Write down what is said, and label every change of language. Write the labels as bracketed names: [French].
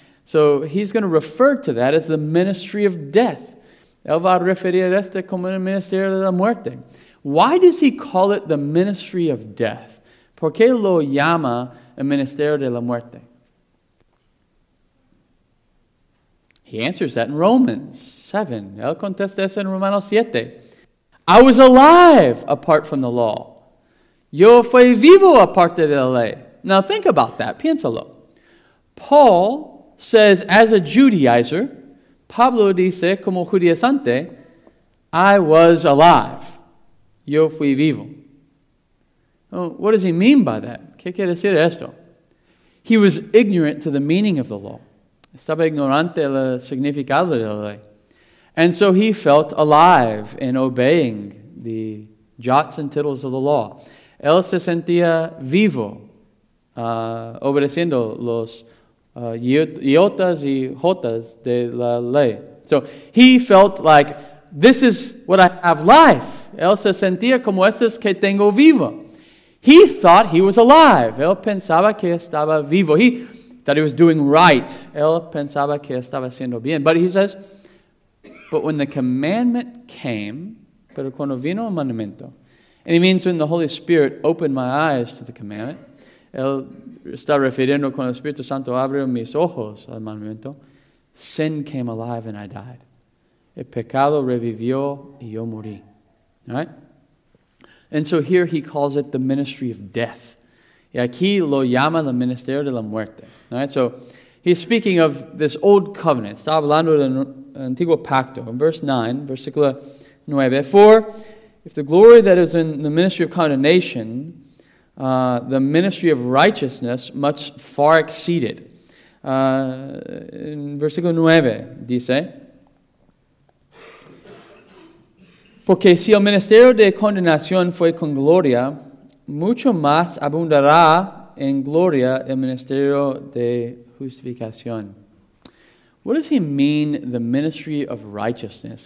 [English] So he's going to refer to that as the ministry of death. [Spanish] Él va a referir este como el ministerio de la muerte. [English] Why does he call it the ministry of death? [Spanish] ¿Por qué lo llama el ministerio de la muerte? [English] He answers that in Romans 7. [Spanish] Él contesta eso en Romanos 7. [English] I was alive apart from the law. [Spanish] Yo fui vivo aparte de la ley. [English] Now think about that. [Spanish] Piénsalo. [English] Paul says, as a Judaizer, [Spanish] Pablo dice, como judaizante, [English] I was alive. [Spanish] Yo fui vivo. [English] Well, what does he mean by that? [Spanish] ¿Qué quiere decir esto? [English] He was ignorant to the meaning of the law. [Spanish] Estaba ignorante del significado de la ley. [English] And so he felt alive in obeying the jots and tittles of the law. [Spanish] Él se sentía vivo, obedeciendo los iotas y jotas de la ley. [English] So he felt like, this is what I have life. [Spanish] Él se sentía como eso es que tengo vivo. [English] He thought he was alive. [Spanish] Él pensaba que estaba vivo. [English] He thought he was doing right. [Spanish] Él pensaba que estaba haciendo bien. [English] But he says, but when the commandment came, [Spanish] pero cuando vino el mandamiento, [English] and he means when the Holy Spirit opened my eyes to the commandment, [Spanish] él está refiriendo cuando el Espíritu Santo abrió mis ojos al mandamiento, [English] sin came alive and I died. [Spanish] El pecado revivió y yo morí. [English] All right? And so here he calls it the ministry of death. [Spanish] Y aquí lo llama el ministerio de la muerte. [English] All right? So he's speaking of this old covenant. [Spanish] Está hablando de antiguo pacto. [English] In verse 9, versículo 9. For if the glory that is in the ministry of condemnation, the ministry of righteousness, much far exceeded. [Spanish] In versículo 9, dice, porque si el ministerio de condenación fue con gloria, mucho más abundará en gloria el ministerio de justificación. [English] What does he mean, the ministry of righteousness?